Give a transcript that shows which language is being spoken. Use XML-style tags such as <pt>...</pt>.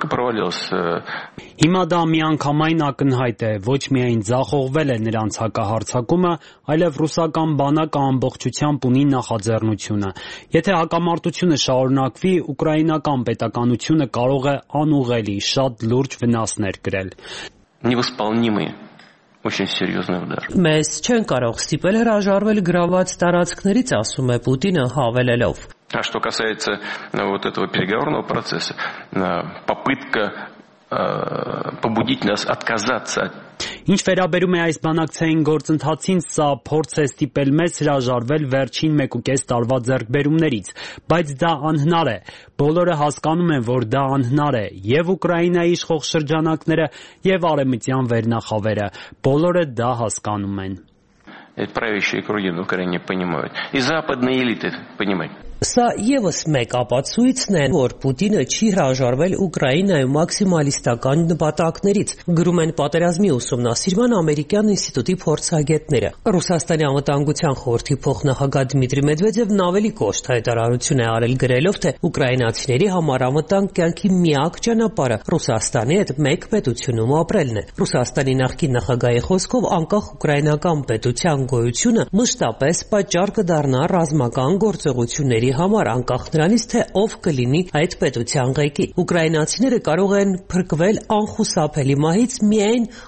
<hy>Հիմա դա միանգամայն ակնհայտ է, ոչ միայն ձախողվել է նրանց հակահարցակումը, այլև ռուսական բանակը ամբողջությամբ ունի նախաձեռնությունը։ Եթե հակամարտությունը շարունակվի, ուկրաինական պետականությունը կարող է անուղելի շատ լուրջ վնասներ գրել։ Մեզ չեն կարող ստիպել հրաժարվել գրաված տարածքներից, ասում է Պուտինը հավելելով։</hy> <ru>А что касается вот этого переговорного процесса, попытка побудить нас отказаться от...</ru> <hy>Ինչ վերաբերում է այս բանակցային գործընթացին, սա փորձ է ստիպել մեզ հրաժարվել վերջին 1.5 տարվա ձեռքբերումներից, բայց դա անհնար է։ Բոլորը հասկանում են, որ դա անհնար է, եւ Ուկրաինայի իշխող շրջանակները, եւ արեմության վերնախավերը, բոլորը դա հասկանում են։</hy> <ru>Այդ правящие круги в Украине понимают, и западные элиты понимают.</ru> <hy>Սա ևս մեկ ապացույցն է, որ Պուտինը չի հրաժարվել Ուկրաինայի մաքսիմալիստական նպատակներից, գրում են պատերազմի ուսումնասիրման ամերիկյան ինստիտուտի փորձագետները։ Ռուսաստանի անվտանգության խորհրդի փոխնախագահ Դմիտրի Մեդվեդևն ավելի կոշտ հայտարարություն է արել, գրելով, թե ուկրաինացիների համար անվտանգ կյանքի միակ ճանապարհը Ռուսաստանի հետ մեկ պետությունում ապրելն է։ Ռուսաստանի նախկին նախագահի խոսքով, անկախ ուկրաինական պետության գոյությունը մշտապես պատճառ կդառնա ռազմական գործողություն ների համար, անկախ նրանից, թե ով կլինի այդ պետության ղեկի։ Ուկրաինացիները կարող են փրկվել անխուսափելի մահից միայն</hy>